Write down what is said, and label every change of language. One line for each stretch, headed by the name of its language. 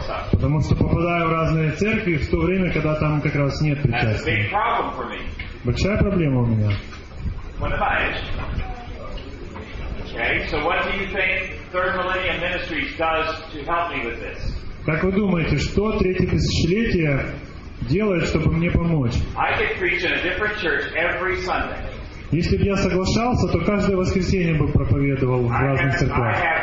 Russian: Потому что попадаю в разные церкви в то время, когда там как раз нет причастия. Большая проблема у меня.
English: Okay, so
Russian: как вы думаете, что третье тысячелетие делает, чтобы мне помочь.
English: I could preach in a different church every Sunday.
Russian: Если бы я соглашался, то каждое воскресенье бы проповедовал в разных церквях.